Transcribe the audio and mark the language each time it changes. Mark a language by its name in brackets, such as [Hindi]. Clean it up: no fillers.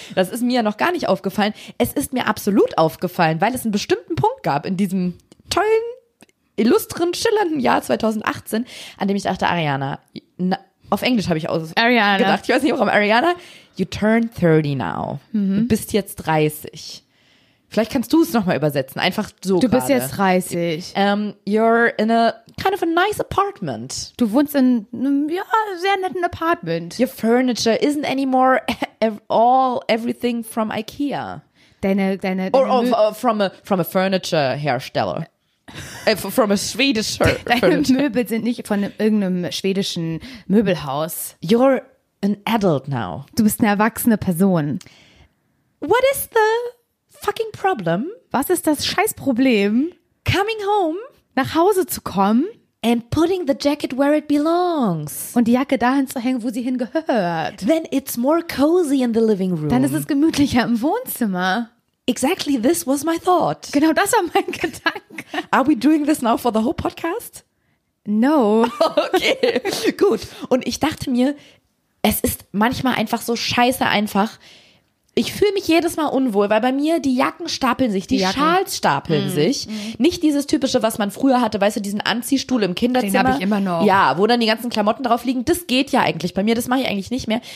[German] Das ist mir ja noch gar nicht aufgefallen. Es ist mir absolut aufgefallen, weil es einen bestimmten Punkt gab in diesem tollen, illustren, schillernden Jahr 2018, an dem ich dachte, Ariana, auf Englisch habe ich gedacht. Ich weiß nicht, warum. Ariana, [English] you turn 30 now. Mhm. [German] Du bist jetzt 30. Vielleicht kannst du es nochmal übersetzen, einfach so gerade. Du bist jetzt 30. [English] You're in a kind of a nice apartment. [German] Du wohnst in einem, ja, sehr netten Apartment. [English] Your furniture isn't anymore everything from IKEA. From a furniture hersteller. From a Swedish furniture. [German] Deine Möbel sind nicht von irgendeinem schwedischen Möbelhaus. [English] You're an adult now. [German] Du bist eine erwachsene Person. [English] What is the... fucking problem. [German] Was ist das Scheißproblem? [English] Coming home. [German] Nach Hause zu kommen. [English] And putting the jacket where it belongs. [German] Und die Jacke dahin zu hängen, wo sie hingehört. [English] Then it's more cozy in the living room. [German] Dann ist es gemütlicher im Wohnzimmer. [English] Exactly, this was my thought. [German] Genau das war mein Gedanke. [English] Are we doing this now for the whole podcast? No. [German] Okay, gut. Und ich dachte mir, es ist manchmal einfach so scheiße einfach. Ich fühle mich jedes Mal unwohl, weil bei mir die Jacken stapeln sich, die Schals stapeln sich. Nicht dieses typische, was man früher hatte, weißt du, diesen Anziehstuhl im Kinderzimmer. Den habe ich immer noch. Ja, wo dann die ganzen Klamotten drauf liegen. Das geht ja eigentlich bei mir, das mache ich eigentlich nicht mehr.